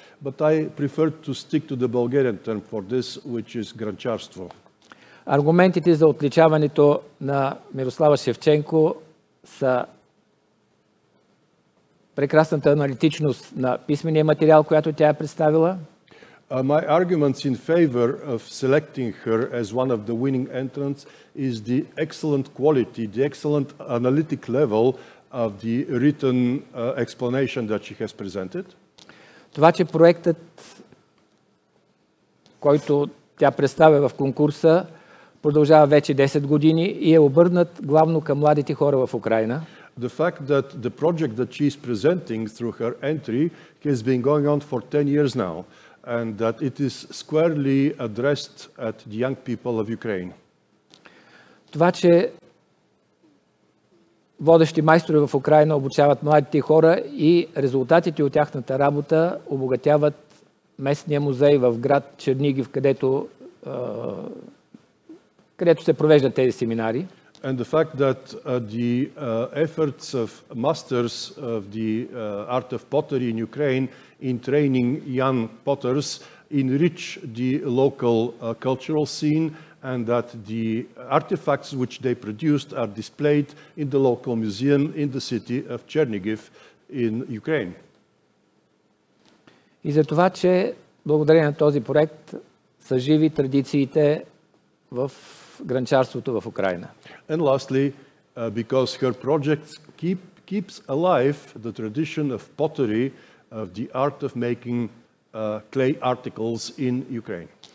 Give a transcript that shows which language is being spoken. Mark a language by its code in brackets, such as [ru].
[en] But I prefer to stick to the Bulgarian term for this, which is гранчарство. [bg] Аргументите за отличаването на Мирослава Шевченко са прекрасната аналитичност на писмения материал, която тя е представила. [en] My arguments in favor of selecting her as one of the winning entrants is the excellent quality, the excellent analytic level of the written explanation that she has presented. [bg] Това, че проектът, който тя представя в конкурса, продължава вече 10 години и е обърнат главно към младите хора в Украина. [en] The fact that the project that she is presenting through her entry has been going on for 10 years now and that it is squarely addressed at the young people of Ukraine. [bg] Това, че водещи майстори в Украина обучават младите хора и резултатите от тяхната работа обогатяват местния музей в град Чернигив, където се провеждат тези семинари. [en] And the fact that the efforts of masters of the art of pottery in Ukraine in training young potters enrich the local cultural scene and that the artifacts which they produced are displayed in the local museum in the city of Chernigiv in Ukraine. [bg] И за това, че благодарение на този проект са живи традициите в гранчарството в Украина. [en] And lastly, because her projects keeps alive the tradition of pottery, of the art of making clay articles in Ukraine.